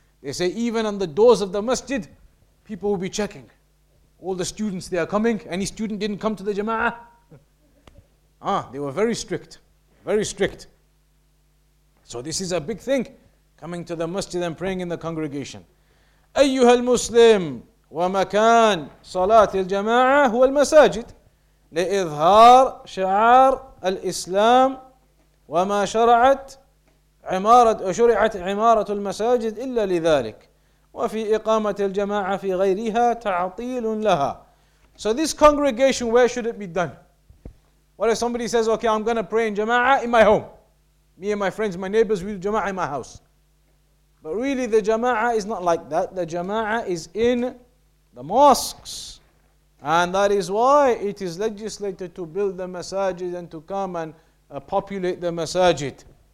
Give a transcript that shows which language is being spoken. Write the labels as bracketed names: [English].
[English] They say even on the doors of the masjid, people will be checking. All the students, they are coming. Any student didn't come to the jama'ah? They were very strict. Very strict. So this is a big thing. Coming to the masjid and praying in the congregation. [Arabic] أيها المسلم ومكان صلاة الجماعة هو المساجد لإظهار شعار الإسلام وما شرعت عمارة شرعت عمارة المساجد إلا لذلك وفي إقامة الجماعة في غيرها تعطيل لها. [English] So this congregation, where should it be done? What if somebody says, okay, I'm going to pray in jama'ah in my home. Me and my friends, my neighbors, we'll jama'ah in my house. But really the jama'ah is not like that. The jama'ah is in the mosques. And that is why it is legislated to build the masajid and to come and populate the masajid.